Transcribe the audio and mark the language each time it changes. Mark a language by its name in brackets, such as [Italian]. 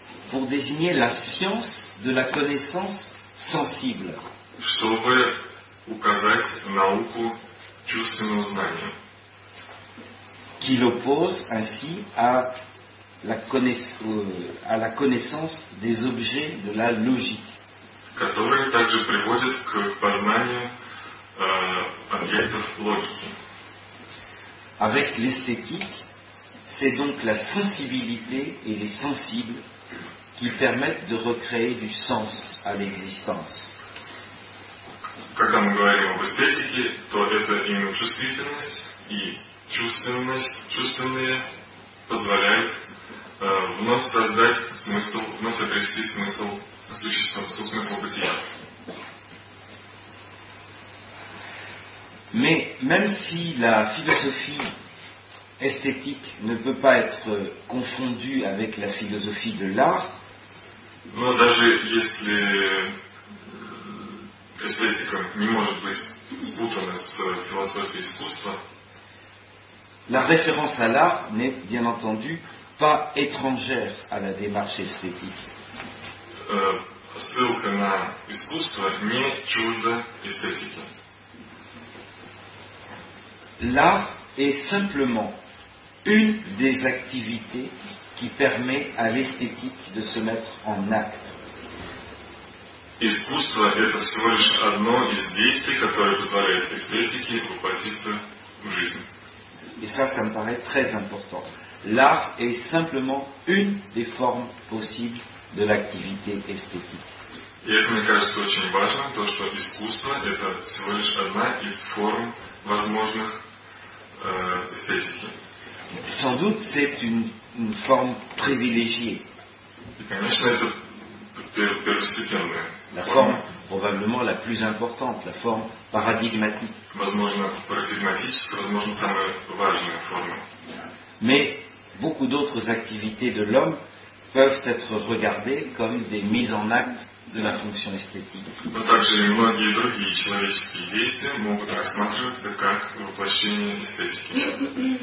[French] pour désigner la science de la connaissance sensible. [Russian] Чтобы указать науку чувственного знания. [French] Qui l'oppose ainsi à la connaissance des objets de la logique. [Russian] Которые также приводят к познанию объектов логики. [French] Avec l'esthétique, c'est donc la sensibilité et les sensibles qui permettent de recréer du sens à l'existence. [Russian] Когда мы говорим об эстетике, то это именно чувствительность и чувственные позволяют вновь создать смысл, вновь обрести смысл существа, смысл бытия. [French] Mais même si la philosophie esthétique ne peut pas être confondue avec la philosophie de l'art, [Russian] но даже если эстетика не может быть спутана с философией искусства. [French] La référence à l'art n'est bien entendu pas étrangère à la démarche esthétique. [Russian] Ссылка на искусство не чужда эстетике. [French] L'art est simplement une des activités qui permet à l'esthétique de se mettre en acte. [Russian] Искусство – это всего лишь одно из действий, которое позволяет эстетике воплотиться в жизнь. [French] Et ça, ça me paraît très important. L'art est simplement une des formes possibles de l'activité esthétique. [Russian] И это, мне кажется, очень важно, то, что искусство – это всего лишь одна из форм возможных эстетики. [French] Sans doute, c'est une forme privilégiée. [Russian] И, конечно, это первостепенная. [French] La forme, probablement la plus importante, la forme paradigmatique. [Russian] Возможно, парадигматическая, возможно, самая важная форма. [French] Mais beaucoup d'autres activités de l'homme peuvent être regardées comme des mises en acte de la fonction esthétique. [Russian] Но также и многие другие человеческие действия могут рассматриваться как воплощение эстетики.